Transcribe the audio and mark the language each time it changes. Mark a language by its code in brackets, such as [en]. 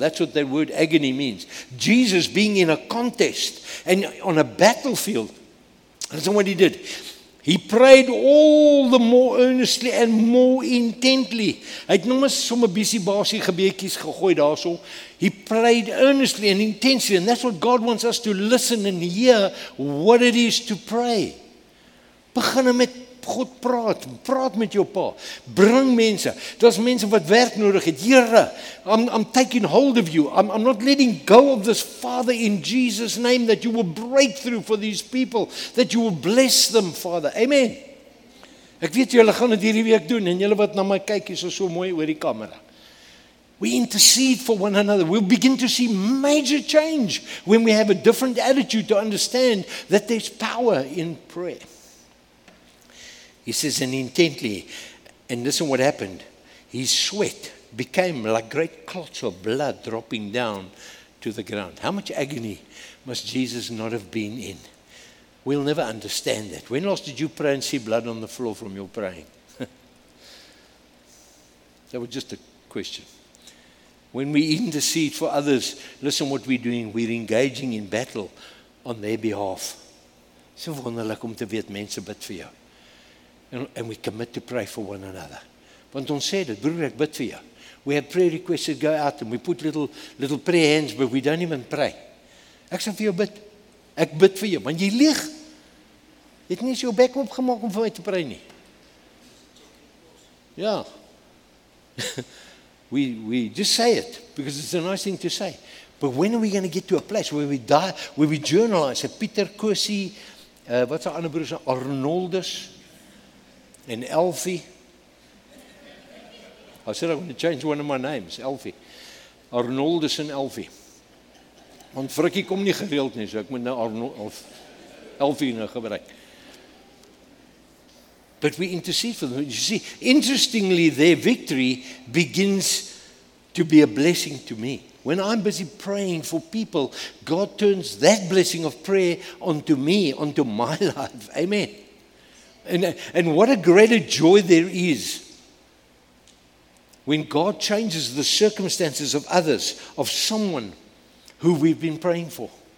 [en] That's what that word agony means. Jesus being in a contest and on a battlefield. Listen what he did. He prayed all the more earnestly and more intently. He prayed earnestly and intensely. And that's what God wants us to listen and hear, what it is to pray. [af] Begin met God praat, praat met jou pa. Bring mense. Daar's mense wat werk nodig het. Here, I'm taking hold of you. [en] I'm not letting go of this, Father, in Jesus' name, that you will break through for these people, that you will bless them, Father. Amen. [af] Ek weet julle gaan dit hierdie week doen en julle wat na my kyk is so mooi oor die kamera. [en] We intercede for one another. We'll begin to see major change when we have a different attitude to understand that there's power in prayer. He says, and intently, and listen what happened. His sweat became like great clots of blood dropping down to the ground. How much agony must Jesus not have been in? We'll never understand that. When last did you pray and see blood on the floor from your praying? That was just a question. When we intercede for others, listen what we're doing. [af] We're engaging in battle on their behalf. So wonderlik om te weet, mense bid vir jou. And we commit to pray for one another. Want ons sê dit, broer, ek bid vir jou. [en] We have prayer requests that go out and we put little prayer hands, but we don't even pray. [af] Ek sê vir jou bid. Ek bid vir jou, want jy lieg. Jy het nie eens jou bek opgemaak om vir my te pray nie. Ja. [en] We just say it, because it's a nice thing to say. But when are we going to get to a place where we die, where we journalize? Pieter Kosie, wat is die ander broer, Arnoldus? and Elfie. I said I'm going to change one of my names, Elfie. Arnoldus and Elfie. [af] Want Frikkie kom nie gereeld nie, so ek moet nou Elfie nou gebruik. [en] But we intercede for them. You see, interestingly, their victory begins to be a blessing to me. When I'm busy praying for people, God turns that blessing of prayer onto me, onto my life. Amen. And what a greater joy there is when God changes the circumstances of others, of someone who we've been praying for.